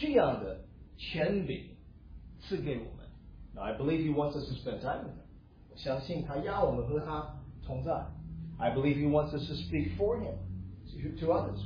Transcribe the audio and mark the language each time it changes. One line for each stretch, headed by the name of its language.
Chinese: 我认为他没有把这样的权柄赐给我们。
English: Now, I believe he wants us to spend time with him.
Chinese: 我相信他要我们和他同在。
English: I believe he wants us to speak for him, to others.